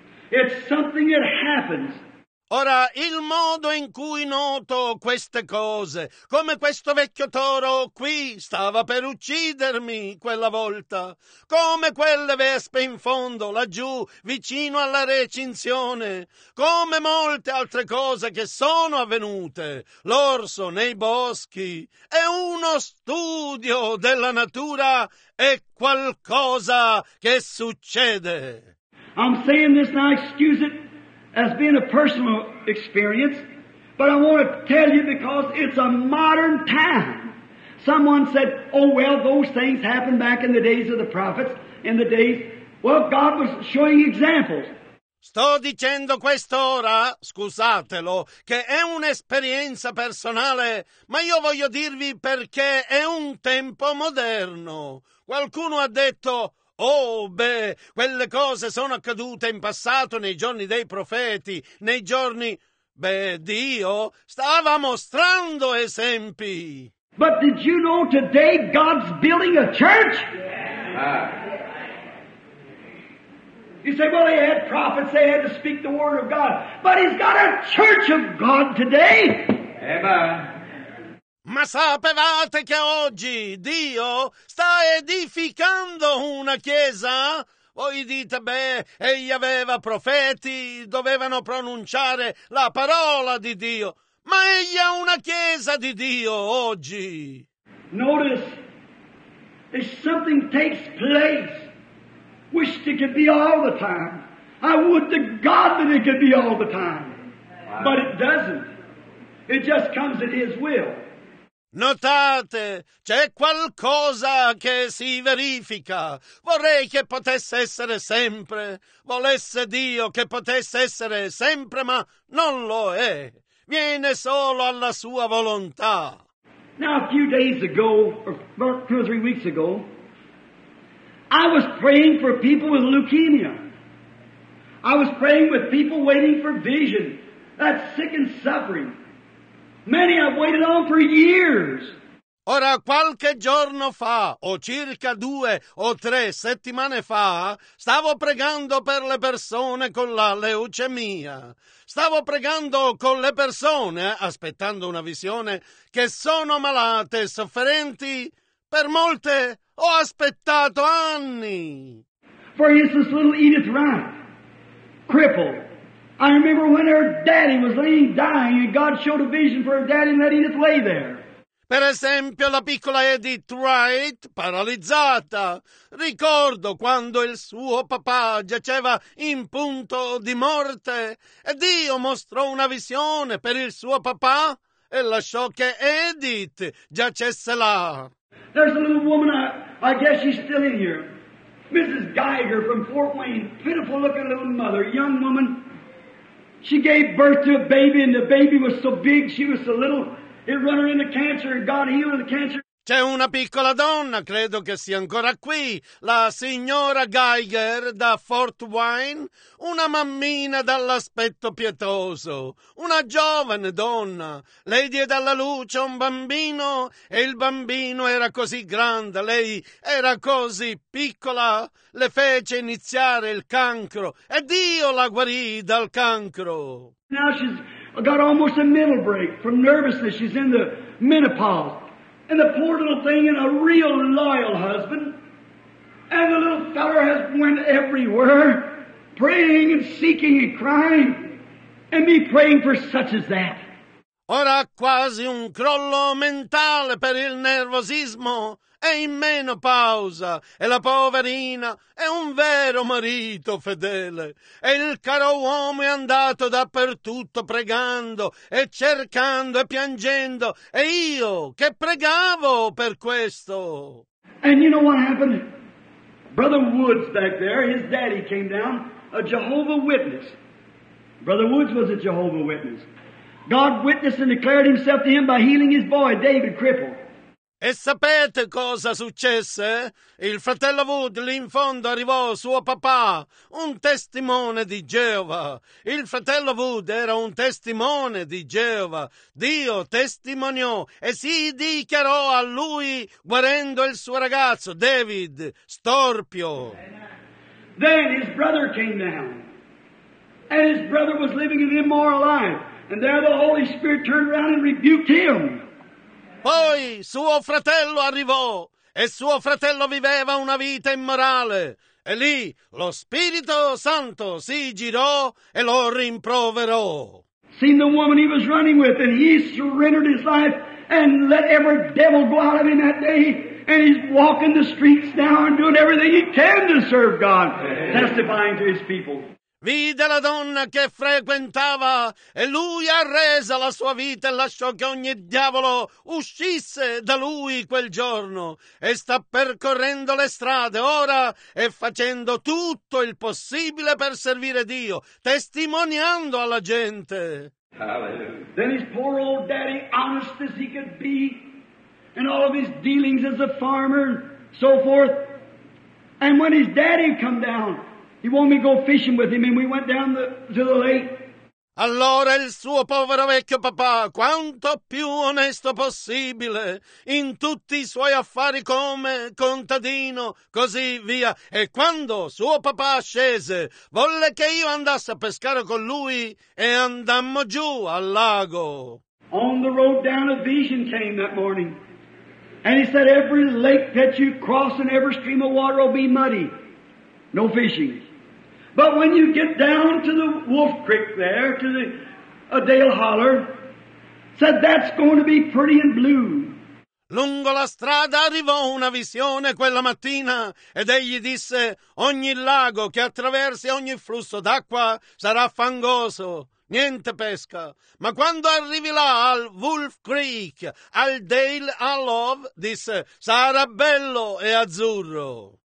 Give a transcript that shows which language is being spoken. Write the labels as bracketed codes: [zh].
[en] It's something that happens. [it] Ora, il modo in cui noto queste cose, come questo vecchio toro qui stava per uccidermi quella volta, come quelle vespe in fondo, laggiù, vicino alla recinzione, come molte altre cose che sono avvenute, l'orso nei boschi, è uno studio della natura, è qualcosa che succede. [en] I'm saying this now, excuse it. As being a personal experience, but I want to tell you because it's a modern time. Someone said, oh, well, those things happened back in the days of the prophets, in the days, well, God was showing examples. [it] Sto dicendo quest'ora, scusatelo, che è un'esperienza personale, ma io voglio dirvi perché è un tempo moderno. Qualcuno ha detto, Oh, beh, quelle cose sono accadute in passato nei giorni dei profeti, nei giorni... Beh, Dio stava mostrando esempi. [en] But did you know today God's building a church? You say, well, they had prophets, they had to speak the word of God. But he's got a church of God today. Amen. [it] Ma sapevate che oggi Dio sta edificando una chiesa? Voi dite, beh, egli aveva profeti, dovevano pronunciare la parola di Dio. Ma egli ha una chiesa di Dio oggi. [en] Notice, if something takes place, wish it could be all the time. I would to God that it could be all the time. But it doesn't. It just comes at his will. [it] Notate, c'è qualcosa che si verifica. Vorrei che potesse essere sempre. Volesse Dio che potesse essere sempre, ma non lo è. Viene solo alla sua volontà. [en] Now a few days ago, or two or three weeks ago, I was praying for people with leukemia. I was praying with people waiting for vision. That's sick and suffering. Many I've waited on for years. [it] Ora, qualche giorno fa, o circa due o tre settimane fa, stavo pregando per le persone con la leucemia. Stavo pregando con le persone, aspettando una visione, che sono malate e sofferenti. Per molte ho aspettato anni. [en] For instance, little Edith Wright, crippled. I remember when her daddy was laying dying and God showed a vision for her daddy and let Edith lay there. [it] Per esempio, la piccola Edith Wright, paralizzata. Ricordo quando il suo papà giaceva in punto di morte e Dio mostrò una visione per il suo papà e lasciò che Edith giacesse là. [en] There's a little woman, I guess she's still in here. Mrs. Geiger from Fort Wayne, pitiful looking little mother, young woman. She gave birth to a baby, and the baby was so big, she was so little, it run her into cancer, and God healed her the cancer. [it] C'è una piccola donna, credo che sia ancora qui, la signora Geiger da Fort Wayne, una mammina dall'aspetto pietoso, una giovane donna. Lei diede alla luce un bambino, e il bambino era così grande, lei era così piccola, le fece iniziare il cancro, e Dio la guarì dal cancro. [en] Now she's got almost a mental break from nervousness, she's in the menopause. And the poor little thing and a real loyal husband. And the little fella has went everywhere, praying and seeking and crying. And me praying for such as that. [it] Ora ha quasi un crollo mentale per il nervosismo. È in menopausa. E la poverina è un vero marito fedele. E il caro uomo è andato dappertutto pregando e cercando e piangendo. E io che pregavo per questo. [en] And you know what happened? Brother Woods back there, his daddy came down, a Jehovah Witness. Brother Woods was a Jehovah Witness. God witnessed and declared himself to him by healing his boy, David, crippled. [it] E sapete cosa successe? Il fratello Wood lì in fondo arrivò suo papà, un testimone di Geova. Il fratello Wood era un testimone di Geova. Dio testimoniò e si dichiarò a lui guarendo il suo ragazzo, David Storpio. [en] Then his brother came down. And his brother was living an immoral life. And there the Holy Spirit turned around and rebuked him. [it] Poi suo fratello arrivò e suo fratello viveva una vita immorale e lì lo Spirito Santo si girò e lo rimproverò. [en] Seen the woman he was running with and he surrendered his life and let every devil go out of him that day and he's walking the streets now and doing everything he can to serve God, testifying to his people. [it] Vide la donna che frequentava e lui arrese la sua vita e lasciò che ogni diavolo uscisse da lui quel giorno e sta percorrendo le strade ora e facendo tutto il possibile per servire Dio, testimoniando alla gente. [en] Hallelujah. Then his poor old daddy, honest as he could be, and all of his dealings as a farmer and so forth, And when his daddy come down, he wanted me to go fishing with him, and we went down to the lake. [it] Allora il suo povero vecchio papà, quanto più onesto possibile, in tutti i suoi affari come contadino, così via. E quando suo papà scese, volle che io andasse a pescare con lui e andammo giù al lago. [en] On the road down a vision came that morning. And he said, every lake that you cross and every stream of water will be muddy. No fishing. But when you get down to the Wolf Creek there, to the Dale Holler, said that's going to be pretty and blue. [it] Lungo la strada arrivò una visione quella mattina ed egli disse, ogni lago che attraversi ogni flusso d'acqua sarà fangoso, niente pesca. Ma quando arrivi là al Wolf Creek, al Dale Holler, disse, sarà bello e azzurro.